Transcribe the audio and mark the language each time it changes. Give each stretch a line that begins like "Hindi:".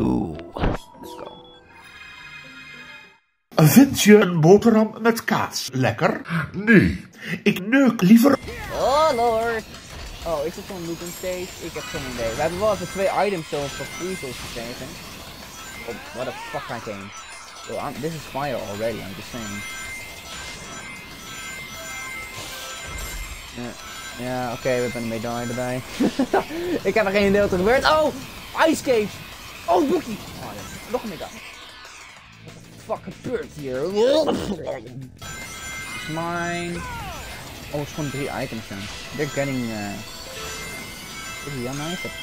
English: Let's go.
Dutch: Vind je een boterham met kaas lekker? Nee, ik neuk liever.
English: Oh lord.
Dutch: Oh, is het van Lupin Stage? Ik heb geen idee. We hebben wel even twee items zoals voor Freezels gekregen.
English: Oh, what the fuck I came. Yo, this is fire already, I'm just saying. Yeah.
Dutch: Ja, oké, we hebben een medaille erbij. Ik heb er geen idee wat er gebeurt. Oh! Ice Cage! Oh, Boekie! Oh ja, nog een medaille.
English: What the fuck
Dutch: gebeurt hier?
English: It's mine.
Dutch: Oh, het is gewoon drie items dan.
English: They're getting,
Dutch: is die aan mij?